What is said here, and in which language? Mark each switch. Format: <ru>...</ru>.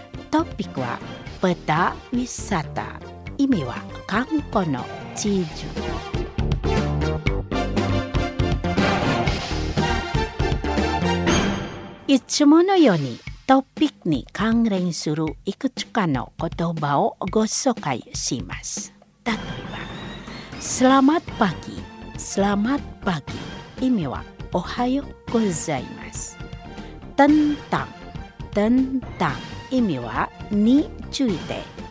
<ja>トピックはプタウィサタ、意味は観光の地図。いつものようにトピックに関連するいくつかの言葉をご紹介します。例えば、</ja> <id>Selamat pagi. Selamat pagi.</id> <ja>意味はおはようございます。Tentang. Tentang. 意味はについて。</ja>